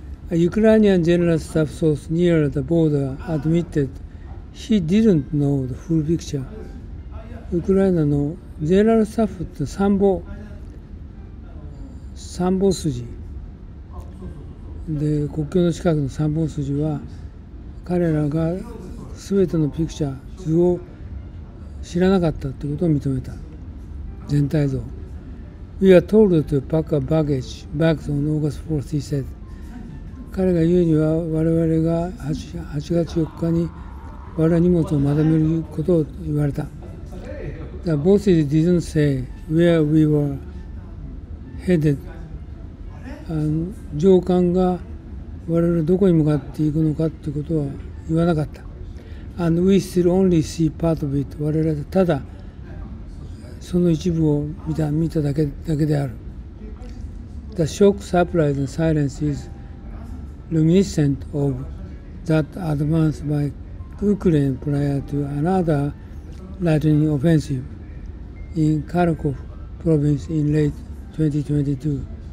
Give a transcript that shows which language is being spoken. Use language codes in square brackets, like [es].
[en] Ukrainian General Staff Source near the border admitted he didn't know the full picture。 [ja] ウクライナのジェネラルスタッフって参謀筋で、国境の近くの参謀筋は彼らが全てのピクチャー図を知らなかったということを認めた。 [en] 全体像、 We are told to pack a baggage back on August 4th he said。 [ja] 彼が言うには、我々が 8月4日に我々荷物をまとめることを言われた。 [en] The bosses didn't say where we were headed。 [ja] 上官が我々どこに向かっていくのかということは言わなかった。 [en] And we still only see part of it。 [ja] 我々はただその一部を見ただけである。 [en] The shock, surprise and silence is reminiscent of that advance by Ukraine prior to another lightning offensive in Kharkov province in late 2022。